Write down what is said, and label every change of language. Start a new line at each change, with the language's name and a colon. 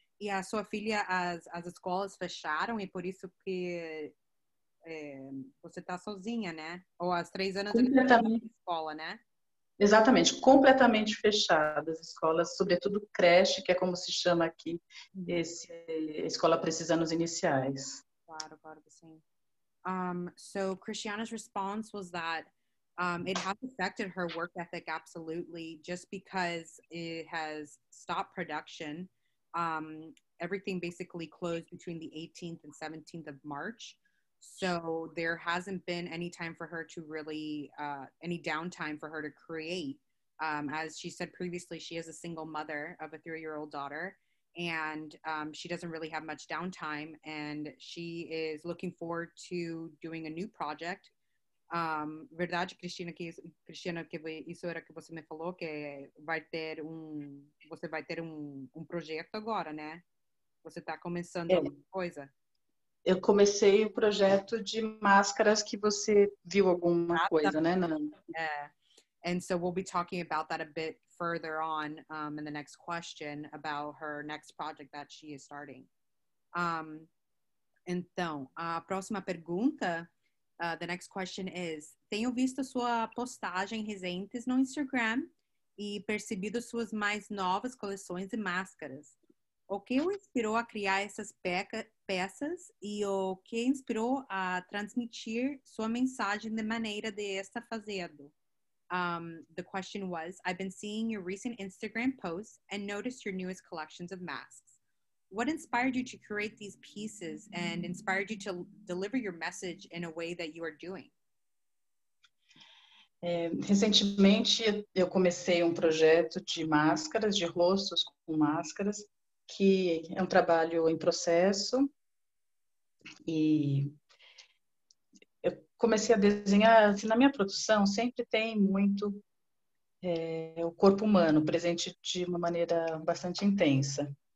Portuguese: E a sua filha, as escolas fecharam e por isso que você está sozinha, né? Ou às 3 anos completamente de escola, né? Exatamente, completamente fechadas as escolas, sobretudo creche, que é como se chama aqui, escola para esses anos iniciais. Claro, claro que sim.
English: So Christiana's response was that it has affected her work ethic absolutely, just because it has stopped production. Everything basically closed between the 18th and 17th of March. So there hasn't been any time for her to really, any downtime for her to create. As she said previously, she is a single mother of a 3-year-old daughter, and she doesn't really have much downtime, and she is looking forward to doing a new project.
Portuguese: Verdade, Cristina, que isso era que você me falou, que você vai ter um projeto agora, né? Você tá começando alguma coisa. Eu comecei o projeto de máscaras que você viu alguma coisa, né, Nana?
English: And so we'll be talking about that a bit further on in the next question about her next project that she is starting.
Portuguese: Então, a próxima pergunta,
English: the next question is,
Portuguese: tenho visto sua postagem recentes no Instagram e percebido suas mais novas coleções de máscaras. O que o inspirou a criar essas peças e o que inspirou a transmitir sua mensagem de maneira de estar fazendo?
English: The question was, I've been seeing your recent Instagram posts and noticed your newest collections of masks. What inspired you to create these pieces and inspired you to deliver your message in a way that you are doing?
Portuguese: Recentemente, eu comecei um projeto de máscaras, de rostos com máscaras, que é um trabalho em processo. E eu comecei a desenhar, assim, na minha produção sempre tem muito o corpo humano presente de uma maneira bastante intensa.